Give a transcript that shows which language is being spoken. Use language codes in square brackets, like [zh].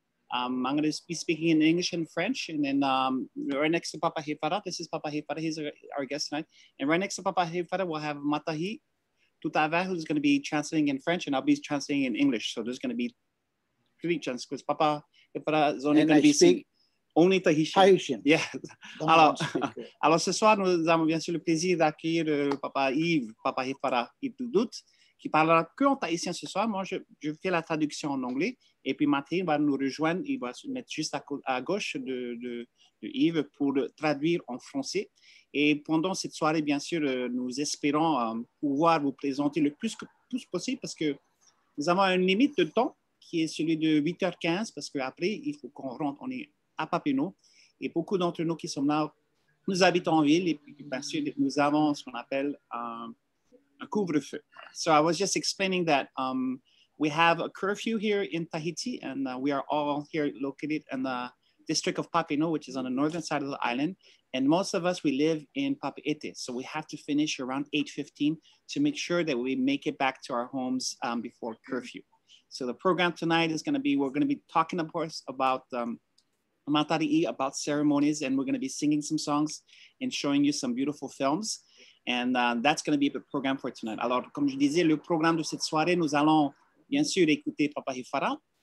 [en] I'm going to be speaking in English and French, and then right next to Papa Heifara, this is Papa Heifara, he's our guest tonight, and right next to Papa Heifara, we'll have Matariʻi, Doudoute, who's going to be translating in French, and I'll be translating in English, so there's going to be three chances, because Papa Heifara is only going to be only Tahitian. Yeah. [fr] Alors ce soir, nous avons bien sûr le plaisir d'accueillir Papa Yves, Papa Heifara et Doudoute, qui parlera que en tahitien ce soir. Moi, je fais la traduction en anglais. Et puis Matariʻi va nous rejoindre. Il va se mettre juste à gauche de Yves pour le traduire en français. Et pendant cette soirée, bien sûr, nous espérons pouvoir vous présenter le plus possible parce que nous avons une limite de temps qui est celui de 8h15 parce qu'après, il faut qu'on rentre. On est à Papineau. Et beaucoup d'entre nous qui sommes là, nous habitons en ville. Et puis, bien sûr, nous avons ce qu'on appelle... couvre-feu. [en] So I was just explaining that we have a curfew here in Tahiti, and we are all here located in the district of Papineau, which is on the northern side of the island. And most of us, we live in Papeete. So we have to finish around 8:15 to make sure that we make it back to our homes before curfew. So the program tonight is going to be, we're going to be talking, of course, about Matariʻi, about ceremonies, and we're going to be singing some songs and showing you some beautiful films. And that's going to be the program for tonight. [fr] Alors, comme je disais, le programme de cette soirée, nous allons bien sûr écouter Papa Heifara.